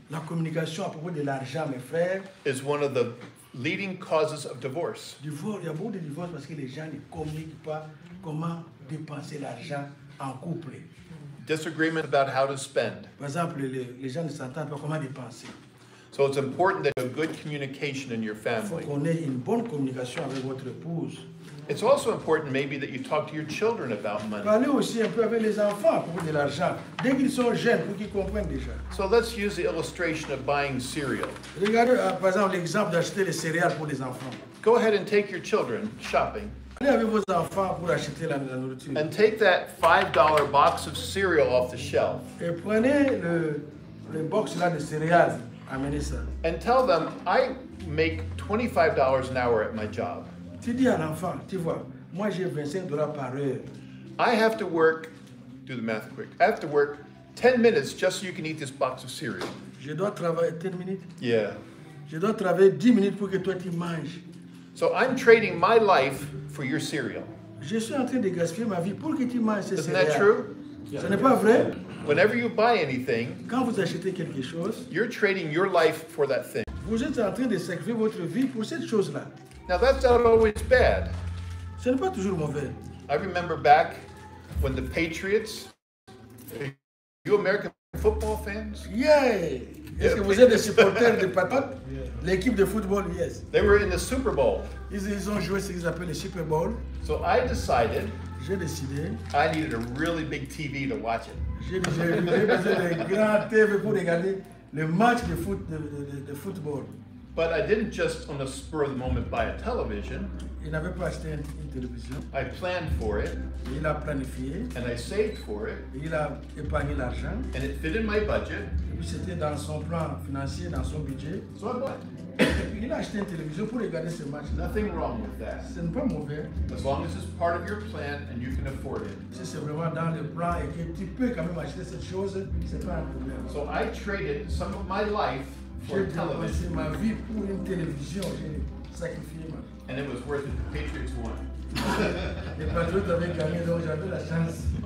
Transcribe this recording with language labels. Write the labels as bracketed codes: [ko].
[fr] La communication à propos de l'argent, mes frères. [en] Is one of the leading causes of divorce. [fr] Divorce, il y a beaucoup de divorces parce que les gens ne communiquent pas comment dépenser l'argent en couple. [en] Disagreement about how to spend. [fr] Par exemple, les gens ne s'entendent pas comment dépenser. [en] So it's important that you have good communication in your family. [fr] Faut qu'on ait une bonne communication avec votre épouse. [en] It's also important maybe that you talk to your children about money. [fr] Parlez aussi un peu avec les enfants pour de l'argent. Dès qu'ils sont jeunes, pour qu'ils comprennent déjà. [en] So let's use the illustration of buying cereal. [fr] Regardez par exemple l'exemple d'acheter les céréales pour les enfants. [en] Go ahead and take your children shopping. [fr] Allez avec vos enfants pour acheter la nourriture. [en] And take that $5 box of cereal off the shelf. [fr] Et prenez le box là de céréales. [en] And tell them, I make $25 an hour at my job. [fr] Tu dis à l'enfant, tu vois, moi j'ai $25 par heure. [en] I have to work, do the math quick, I have to work 10 minutes just so you can eat this box of cereal. [fr] Je dois travailler 10 minutes? Yeah. Je dois travailler 10 minutes pour que toi tu manges. [en] So I'm trading my life for your cereal. [fr] Je suis en train de gaspiller ma vie pour que tu manges ces céréales. [en] Isn't that true? [fr] Yeah. Ce n'est pas vrai? [en] Whenever you buy anything, [fr] quand vous achetez quelque chose, [en] you're trading your life for that thing. [fr] Vous êtes en train de sacrifier votre vie pour cette chose-là. [en] Now that's not always bad. [fr] Ce n'est pas toujours mauvais. [en] I remember back when the Patriots, are you American football fans? Yeah. Yeah. [fr] Est-ce que vous êtes des supporters de Patriots? L'équipe de football, yes. [en] They were in the Super Bowl. [fr] Ils ont joué ce qu'ils appellent le Super Bowl. [en] So I decided. [fr] J'ai décidé. [en] I needed a really big TV to watch it. [fr] J'ai besoin d'un grand TV pour regarder le match de football. [en] But I didn't just on the spur of the moment buy a television. [fr] Il n'avait pas acheté une télévision. [en] I planned for it. [fr] Il a planifié. [en] And I saved for it. [fr] Il a épargné l'argent. [en] And it fit in my budget. [fr] Et puis c'était dans son plan financier, dans son budget. [en] So I bought. [fr] Il a acheté une télévision pour regarder ce match. [en] Nothing wrong with that. [fr] Ce n'est pas mauvais. [en] As long as it's part of your plan and you can afford it. [fr] Si c'est vraiment dans le plan et que tu peux quand même acheter cette chose, c'est pas un problème. [en] So I traded some of my life for television. [fr] Ma vie pour une télévision, j'ai sacrifié ma vie. [en] And it was worth it. Patriots won. [fr] Les Patriots avaient gagné, donc j'avais la chance.